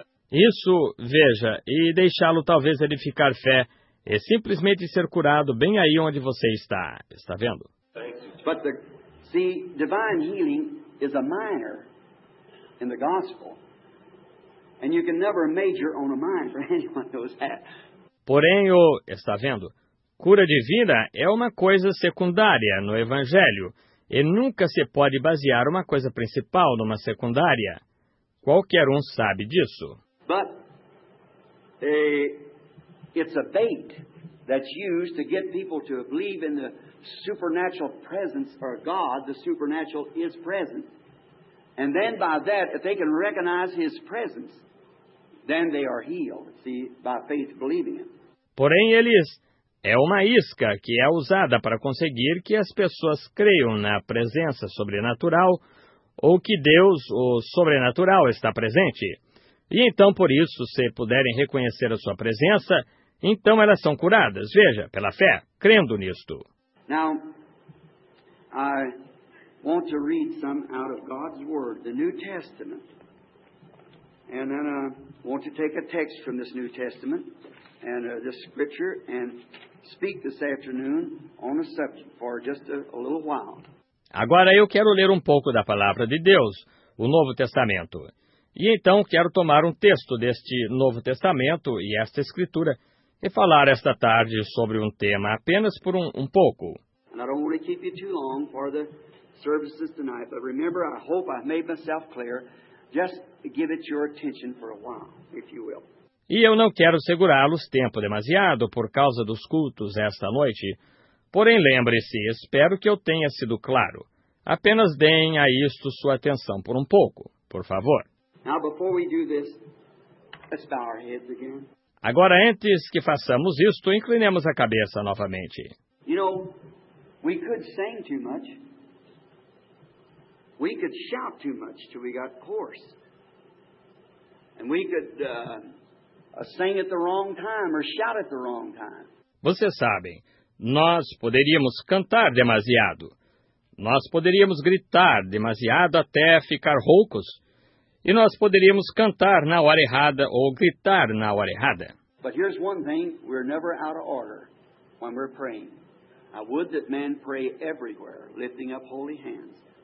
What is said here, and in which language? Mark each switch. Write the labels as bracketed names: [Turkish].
[Portuguese] Isso, veja, e deixá-lo talvez edificar fé e simplesmente ser curado bem aí onde você está. Está vendo? [English] But the see, divine healing is a minor in the gospel. And you can never major on a minor, anyone knows that. [Portuguese] Porém, está vendo? cura divina é uma coisa secundária no Evangelho, e nunca se pode basear uma coisa principal numa secundária. Qualquer um sabe disso. [English] But it's a bait that's used to get people to believe in the supernatural presence or God, the supernatural is present. And then by that, if they can recognize his presence, then they are healed, see, by faith believing him. [Portuguese] Porém, eles é uma isca que é usada para conseguir que as pessoas creiam na presença sobrenatural ou que Deus, o sobrenatural, está presente. E então, por isso, se puderem reconhecer a sua presença, então elas são curadas, veja, pela fé, crendo nisto. [English] Now, I want to read some out of God's Word, the New Testament. And then I want to take a text from this New Testament and this scripture and speak this afternoon on a subject for just a little while. [Portuguese] Agora eu quero ler um pouco da palavra de Deus, o Novo Testamento. E então quero tomar um texto deste Novo Testamento e esta escritura e falar esta tarde sobre um tema apenas por um pouco. [English] And I don't want to keep you too long for the services tonight, but remember, I hope I've made myself clear. Just give it your attention for a while, if you will. [Portuguese] E eu não quero segurá-los tempo demasiado por causa dos cultos esta noite. Porém, lembre-se, espero que eu tenha sido claro. Apenas deem a isto sua atenção por um pouco, por favor. [English] Now, before we do this, let's bow our heads again. [Portuguese] Agora, antes que façamos isto, inclinemos a cabeça novamente. [English] You know, we could sing too much. We could shout too much till we got hoarse. And we could sing at the wrong time or shout at the wrong time. [Portuguese] Vocês sabem, nós poderíamos cantar demasiado. Nós poderíamos gritar demasiado até ficar roucos. E nós poderíamos cantar na hora errada ou gritar na hora errada. [English] But here's one thing, we're never out of order when we're praying. I would that men pray everywhere, lifting up holy hands.